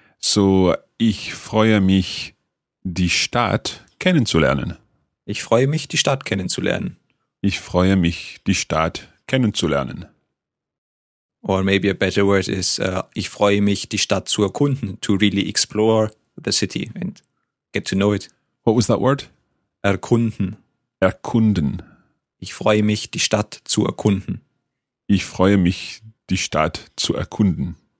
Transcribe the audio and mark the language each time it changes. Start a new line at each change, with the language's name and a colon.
German: So, ich freue mich, die Stadt kennenzulernen. Ich freue mich, die Stadt kennenzulernen. Ich freue mich, die Stadt kennenzulernen.
English: Or maybe a better word is,
German: ich freue mich, die Stadt zu erkunden,
English: to really explore the city and get to know it. What was that word?
German: Erkunden. Erkunden. Ich freue mich, die Stadt zu erkunden. Ich freue mich, die Stadt zu erkunden.